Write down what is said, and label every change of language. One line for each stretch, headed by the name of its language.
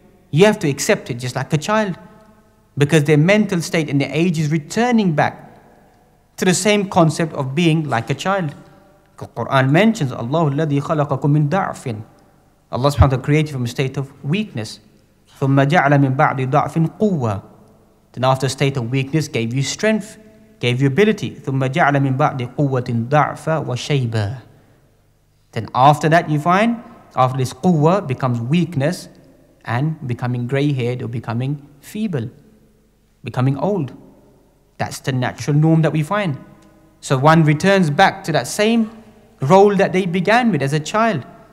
English: You have to accept it just like a child, because their mental state and their age is returning back to the same concept of being like a child. The Quran mentions, Allah
Arabic: الذي خلقكم من ضعف.
English: Allah subhanahu wa ta'ala created from a state of weakness.
Arabic: ثم جعل من بعد ضعف قوة.
English: Then after a state of weakness, gave you strength, gave you ability.
Arabic: ثم جعل من بعد قوة ضعف وشيبة.
English: Then after that you find, after this قوة becomes weakness and becoming grey-haired or becoming feeble, becoming old. That's the natural norm that we find. So one returns back to that same role that they began with as a child.